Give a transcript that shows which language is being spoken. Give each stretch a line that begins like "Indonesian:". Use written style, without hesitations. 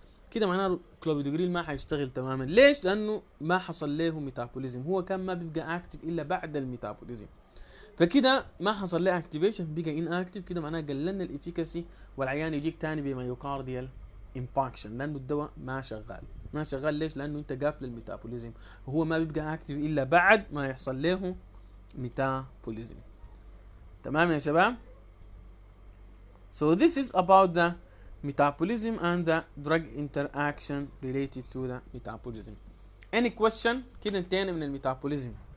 Arabic: كده معناه الكلوبيدوجريل ما حيشتغل تماما. ليش؟ لانه ما حصل له ميتابوليزم، هو كان ما بيبقى اكتيف الا بعد الميتابوليزم، فكده ما حصل له اكتيفيشن بقى ان اكتيف. كده معناه قللنا الافيكاسي والعيان يجيك تاني بميوكارديال انفكشن لانه الدواء ما شغال. ما شغال ليش؟ لانه انت قافل الميتابوليزم، وهو ما بيبقى اكتيف الا بعد ما يحصل له ميتابوليزم. تمام يا شباب؟
English: So this is about the metabolism and the drug interaction related to the metabolism. Any question؟
Arabic: كده انتهينا من الميتابوليزم.